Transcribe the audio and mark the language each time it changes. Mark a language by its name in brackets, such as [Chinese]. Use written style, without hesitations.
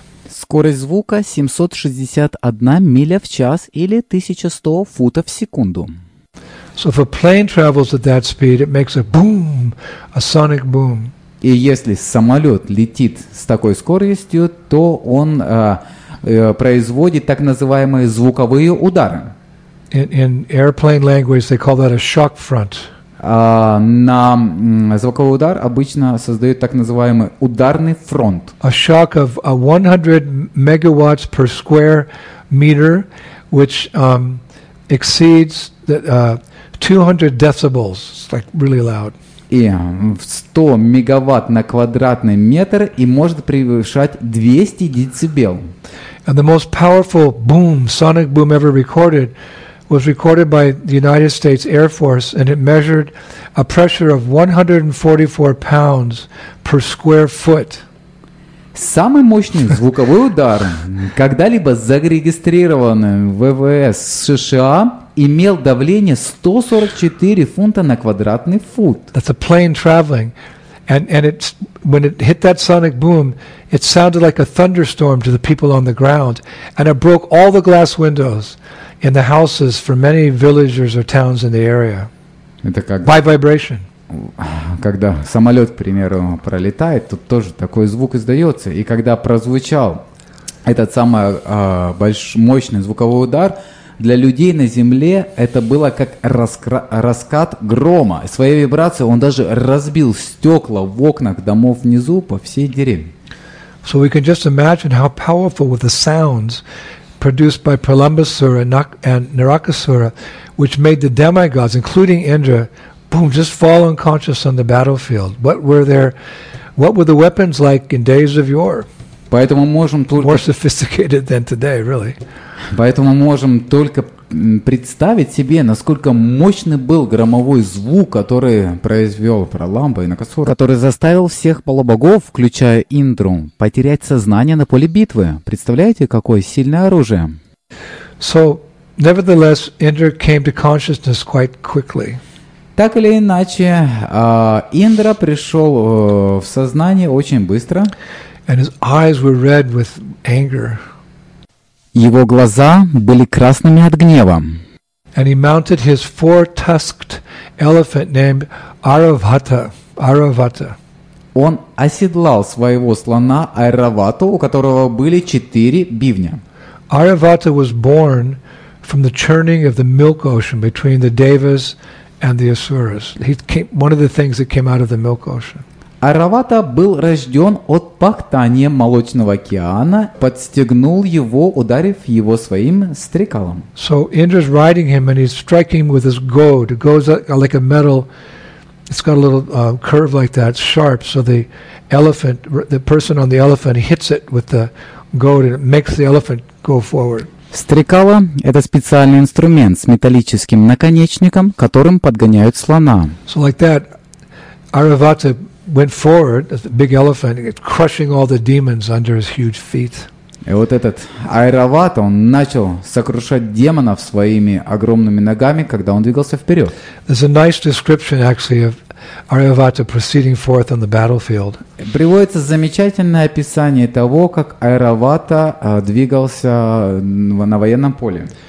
[Russian] Скорость звука 761 миля в час или 1100 футов в секунду. [English] So if a plane travels at that speed, it makes a boom, a sonic boom. [Russian] И если самолет летит с такой скоростью, то он производит так называемые звуковые удары. [English] In airplane language, they call that a shock front. [Russian] На звуковой удар обычно создают так называемый ударный фронт. [English] A shock of 100 megawatts per square meter, which exceeds 200 decibels. It's like really loud. [Russian] И 100 мегаватт на квадратный метр и может превышать 200 децибел. [English] And the most powerful boom, sonic boom ever recorded was recorded by the United States Air Force, and it measured a pressure of 144 pounds per square foot. [Russian] Самый мощный звуковой удар, когда-либо зарегистрированный в ВВС США, имел давление 144 фунта на квадратный фут. [English] That's a plane traveling, and it's when it hit that sonic boom, it sounded like a thunderstorm to the people on the ground, and it broke all the glass windows in the houses for many villagers or towns in the area. [Russian] Это как [English] by vibration. [Russian] когда самолет, к примеру, пролетает, тут тоже такой звук издается. И когда прозвучал этот самый мощный звуковой удар, для людей на Земле это было как раскат грома. Своей вибрацией он даже разбил стекла в окнах домов внизу по всей деревне. [English] So we can just imagine how powerful were the sounds produced by Pralambasura and Narakasura, which made the demigods, including Indra, boom, just fall unconscious on the battlefield. What were the weapons like in days of yore? [Russian] Поэтому можем только [English] more sophisticated than today, really. [Russian] Поэтому можем только представить себе, насколько мощный был громовой звук, который произвел Праламба и Наркасура, который заставил всех полубогов, включая Индру, потерять сознание на поле битвы. Представляете, какое сильное оружие? [English] So, nevertheless, Indra came to consciousness quite quickly. [Russian] Так или иначе, Индра пришел в сознание очень быстро. [English] And his eyes were red with anger. [Russian] Его глаза были красными от гнева. [English] And he mounted his four-tusked elephant named Aravata. Aravata. [Russian] Он оседлал своего слона Айравату, у которого были четыре бивня. [English] Aravata was born from the churning of the milk ocean between the Devas and the Asuras. He came, one of the things that came out of the milk ocean. [Russian] Аравата был рожден от пахтания молочного океана, подстегнул его, ударив его своим стрекалом. [English] So Indra's riding him, and he's striking him with his goad. It goes like a metal. It's got a little curve like that, sharp. So the elephant, the person on the elephant, hits it with the goad, and it makes the elephant go forward. [Russian] Стрекало – это специальный инструмент с металлическим наконечником, которым подгоняют слона. [English] So like that, Aravata went forward, the big elephant, crushing all the demons under his huge feet. [Russian] И вот этот Айравата, он начал сокрушать демонов своими огромными ногами, когда он двигался вперед. [English] There's a nice description, actually, of Aravata proceeding forth on the battlefield. [Russian] Приводится замечательное описание того, как Айравата двигался на военном поле.